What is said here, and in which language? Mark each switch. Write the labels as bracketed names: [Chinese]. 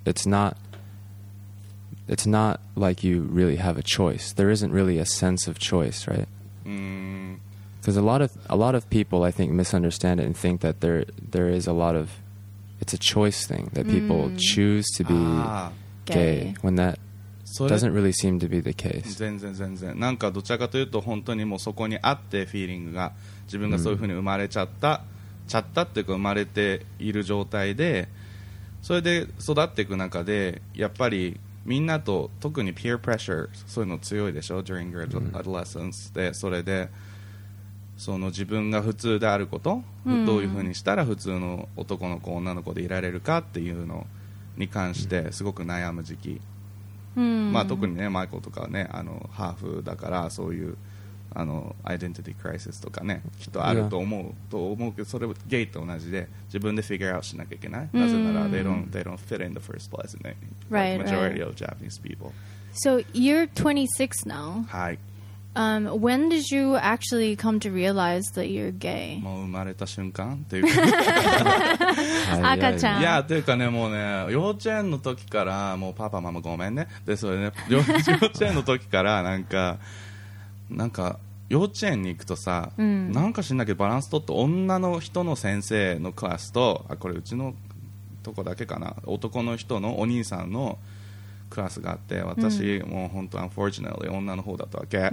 [English] It's not like you really have a choice. There isn't really a sense of choice, right? Because a lot of people, I think, misunderstand it and think that there is a lot of, it's a choice thing that people choose to be gay. When that doesn't really seem to be the case. [Japanese] 全然全然。なんかどちらかというと本当にもうそこにあってフィーリングが自分がそういうふうに生まれちゃった、mm-hmm. ちゃったっていうか生まれている状態で、それで育っていく中でやっぱりみんなと特に peer pressure そういうの強いでしょ [English] during your adolescence [Japanese] で、mm-hmm. それでその自分が普通であること、mm-hmm. どういうふうにしたら普通の男の子女の子でいられるかっていうのに関してすごく悩む時期、 mm-hmm. まあ、特にねマイコとかはねあのハーフだからそういうあのアイデンティティクライシスとかねきっとあると思う、yeah. と思うけどそれゲイと同じで自分でフィギュアアウトしなきゃいけない、mm-hmm. なぜなら [English] they don't fit in the first place in the majority of Japanese people. So you're 26 now. [Japanese] はい。 [English] When did you actually come to realize that you're gay? [Japanese] もう生まれた瞬間っていうか赤ちゃんいやっていうかねもうね幼稚園の時からもうパパママごめんねでそれね幼稚園の時からなんか幼稚園に行くとさ、うん、なんか知んなきゃバランス取って女の人の先生のクラスとあこれうちのとこだけかな男の人のお兄さんのクラスがあって私、うん、もう本当 unfortunately 女の方だったわけ、